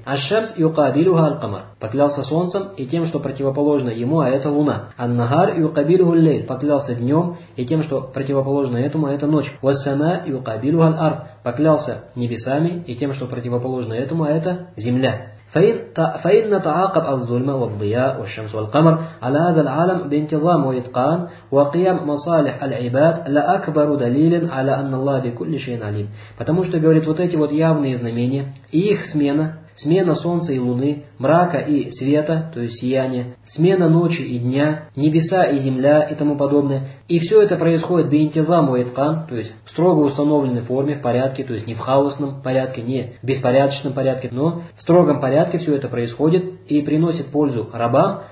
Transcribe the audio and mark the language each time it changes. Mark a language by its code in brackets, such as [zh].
[ar] Аш-шамс юкабилюха аль-камар. [ru] Поклялся солнцем и тем, что противоположно ему, а это луна. [ar] Ан-нахар юкабилюху аль-лейль. [ru] Поклялся днем и тем, что противоположно этому, а это ночь. [ar] Вассама юкабилюха аль-ард. [ru] Поклялся небесами и тем, что противоположно этому, а это земля. [ar] فإن تعاقب الظلم والضياء والشمس والقمر على هذا العالم بانتظام وإتقان وقيام مصالح العباد لأكبر دليل على أن الله بكل شيء عليم. [ru] Потому что, говорит, вот эти вот явные знамения и их смена, смена солнца и луны, мрака и света, то есть сияние, смена ночи и дня, небеса и земля и тому подобное. И все это происходит биинтизам уайткан, то есть в строго установленной форме, в порядке, то есть не в хаосном порядке, не в беспорядочном порядке, но в строгом порядке все это происходит и приносит пользу рабам.